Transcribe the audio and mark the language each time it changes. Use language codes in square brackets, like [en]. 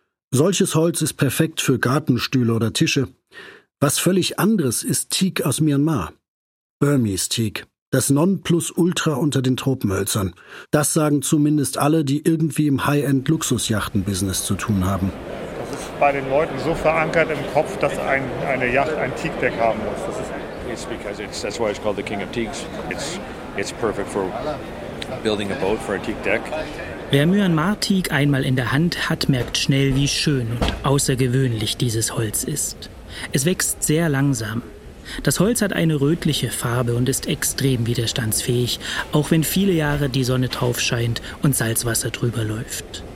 [de] Solches Holz ist perfekt für Gartenstühle oder Tische. Was völlig anderes ist Teak aus Myanmar. Burmese Teak, das Nonplusultra unter den Tropenhölzern. Das sagen zumindest alle, die irgendwie im High-End-Luxusjachten-Business zu tun haben. Das ist bei den Leuten so verankert im Kopf, dass eine Yacht ein Teak-Deck haben muss. [en] It's because that's why it's called the King of Teaks. It's perfect for building a boat for a teak deck. [de] Wer Myanmar-Teak einmal in der Hand hat, merkt schnell, wie schön und außergewöhnlich dieses Holz ist. Es wächst sehr langsam. Das Holz hat eine rötliche Farbe und ist extrem widerstandsfähig, auch wenn viele Jahre die Sonne drauf scheint und Salzwasser drüber läuft.